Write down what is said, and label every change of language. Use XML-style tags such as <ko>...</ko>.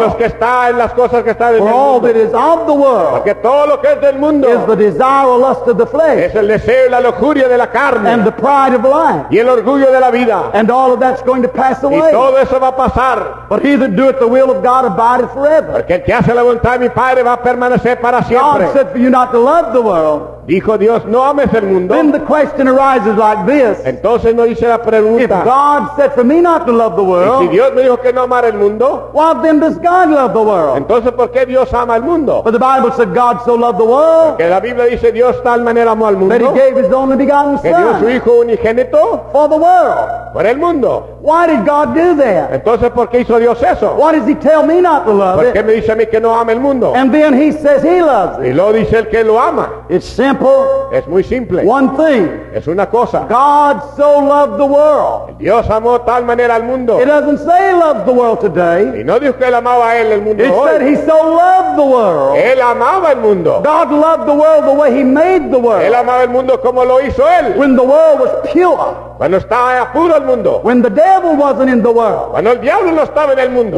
<es>Ni los que están las cosas que están en el mundo.</es> <en>For all that is of the world.</en> <es>Porque todo lo que es del mundo.</es> <en>Is the desire or lust of the flesh.</en> <es>Es el deseo y la lujuria de la carne.</es> <en>And the pride of life.</en> <es>Y el orgullo de la vida.</es> <en>And all of that's going to pass away.</en> <es>Y todo eso va a pasar.</es> <en>But he that doeth the will of God abideth forever.</en> <es>Porque el que hace la voluntad de mi Padre va a permanecer para siempre.</es> <en>God said for you not to love the world.</en> <es>Dijo Dios, no ames el mundo.</es> <en>Then the question arises like this.</en> <es>Entonces nos dice la pregunta.</es> <en>If God said for me not to love the world.</en> <es>Y si Dios me dijo que no amara el mundo.</es> <en>Why then does God love the world?</en> <es>Entonces, ¿por qué Dios ama el mundo?</es> <en>But the Bible said God so loved the world.</en> <es>Porque la Biblia dice Dios tal manera amó al mundo.</es> <en>That he gave his only begotten son.</en> <es>Que dio su hijo unigénito.</es> <en>For the world.</en> <es>Por el mundo.</es> <en>Why did God do that?</en> <es>Entonces, ¿por qué hizo Dios eso?</es> <en>Why does he tell me not to love it?</en> <es>¿Por qué me dice a mí que no ame el mundo?</es> <en>And then he says he loves it.</en> <es>Y luego dice el que lo ama.</es> <en>It's simple.</en> <es>Es muy simple.</es> <en>One thing.</en> <es>Es una cosa.</es> <en>God so loved the world.</en> <es>Dios amó tal manera al mundo.</es> <en>It doesn't say he loves the world today.</en> <es>Y no dijo que él amaba a él el mundo</es> <en>it</en> <es>hoy.</es> <en>It said he so loved the world.</en> <es>Él amaba el mundo.</es> <en>God loved the world the way he made the world.</en> <es>Él amaba el mundo como lo hizo él.</es> <en>When the world was pure.</en> <es>Cuando estaba puro el mundo.</es> <en>When the devil wasn't in the world.</en> <es>Cuando el diablo no estaba en el mundo.</es>